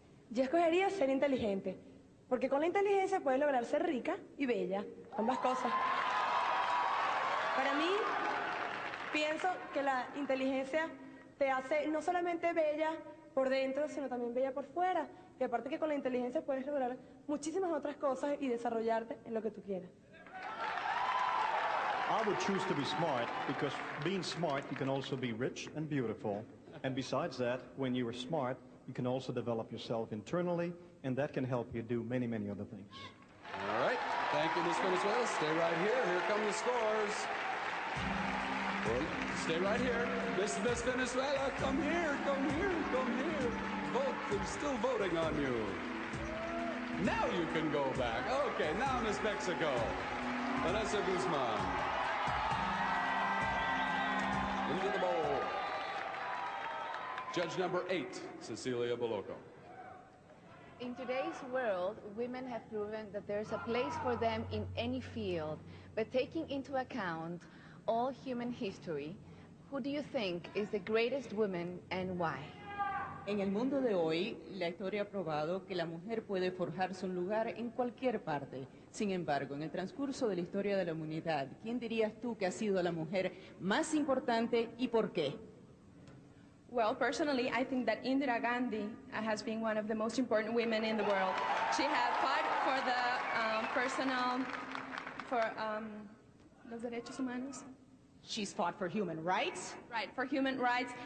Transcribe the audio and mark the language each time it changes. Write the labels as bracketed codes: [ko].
[es] Yo escogería ser inteligente, porque con la inteligencia puedes lograr ser rica y bella, ambas cosas. Para mí, pienso que la inteligencia te hace no solamente bella por dentro, sino también bella por fuera. Y aparte que con la inteligencia puedes lograr muchísimas otras cosas y desarrollarte en lo que tú quieras. [en] I would choose to be smart because being smart, you can also be rich and beautiful. And besides that, when you are smart, you can also develop yourself internally, and that can help you do many, many other things. All right. Thank you, Ms. Venezuela. Stay right here. Here come the scores. Stay right here. Miss Venezuela, come here, come here, come here. Vote. I'm still voting on you. Now you can go back. Okay, now Miss Mexico. Vanessa Guzman. Into the bowl. Judge number 8, Cecilia Boloco. In today's world, women have proven that there's a place for them in any field. But taking into account all human history, who do you think is the greatest woman and why? [es] En el mundo de hoy, la historia ha probado que la mujer puede forjarse un lugar en cualquier parte. Sin embargo, en el transcurso de la historia de la humanidad, ¿quién dirías tú que ha sido la mujer más importante y por qué? [en] Well, personally, I think that Indira Gandhi has been one of the most important women in the world. She has fought for the [es] los derechos humanos. [en] She's fought for human rights. Right, for human rights.